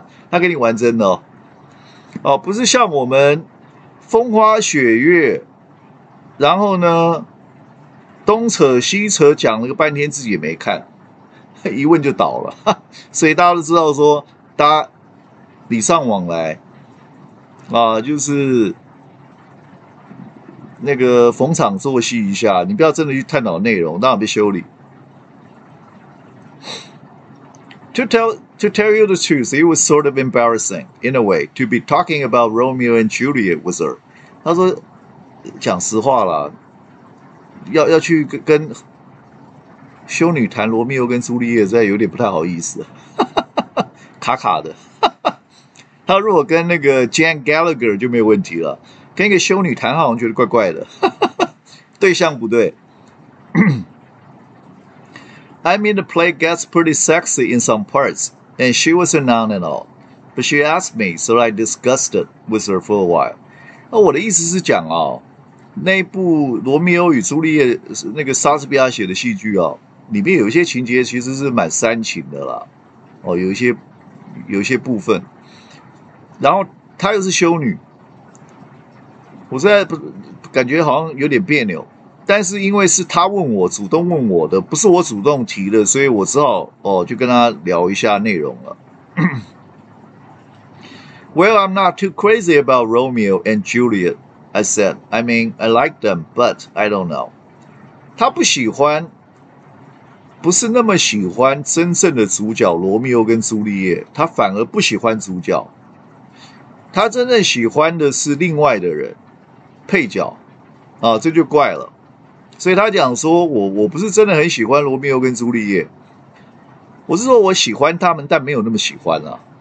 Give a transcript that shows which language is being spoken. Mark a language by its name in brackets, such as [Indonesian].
[Chinese] 他给你玩真的 哦，不是像我们风花雪月，然后呢东扯西扯讲了个半天，自己也没看，一问就倒了。所以大家都知道说，大家礼尚往来啊，就是那个逢场作戏一下，你不要真的去探讨内容，当然被修理。 [English] To tell you the truth, it was sort of embarrassing in a way to be talking about Romeo and Juliet with her. [Chinese] 他说，讲实话啦，要去跟修女谈罗密欧跟朱丽叶，这有点不太好意思，卡卡的。他如果跟那个 Jane Gallagher 就没有问题了，跟一个修女谈好像觉得怪怪的，对象不对。 [English] I mean, the play gets pretty sexy in some parts, and she was a nun and all. But she asked me, so I discussed it with her for a while. [Chinese] 那我的意思是讲哦，那部罗密欧与朱丽叶那个莎士比亚写的戏剧哦，里面有一些情节其实是蛮煽情的啦，哦，有一些部分。然后她又是修女，我现在感觉好像有点别扭。但是因为是他问我，主动问我的，不是我主动提的，所以我只好哦，就跟他聊一下内容了。 [English] Well, I'm not too crazy about Romeo and Juliet, I said. I mean, I like them, but I don't know. [Chinese] 他不喜欢，不是那么喜欢真正的主角罗密欧跟朱丽叶，他反而不喜欢主角，他真正喜欢的是另外的人，配角啊，这就怪了。所以他讲说，我不是真的很喜欢罗密欧跟朱丽叶，我是说我喜欢他们，但没有那么喜欢啊。